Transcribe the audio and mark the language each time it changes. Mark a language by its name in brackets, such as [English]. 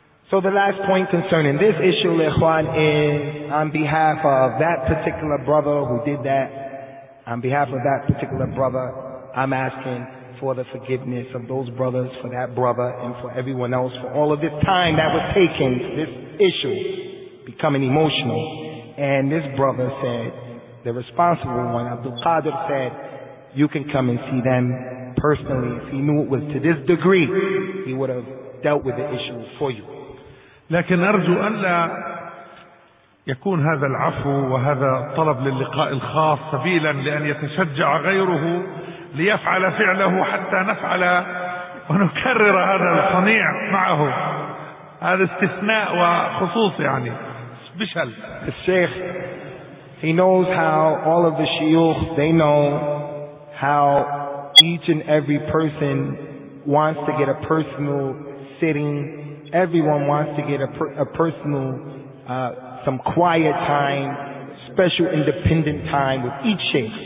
[English] So the last point concerning this issue, Ikhwan, is on behalf of that particular brother who did that, on behalf of that particular brother, I'm asking for the forgiveness of those brothers, for that brother, and for everyone else, for all of this time that was taken, this issue becoming emotional. And this brother said, the responsible one, Abdul Qadir, said, you can come and see them personally. If he knew it was to this degree, he would have dealt with the issue for you. [Arabic] لكن أرجو أن لا يكون هذا العفو وهذا الطلب للقاء الخاص سبيلا لأن يتشجع غيره ليفعل فعله حتى نفعل ونكرر هذا الصنيع معه. هذا استثناء وخصوص، يعني بشل. [English] The Sheikh, he knows how all of the Shiuch, they know how each and every person wants to get a personal sitting. Everyone wants to get a personal, some quiet time, special independent time with each Sheikh.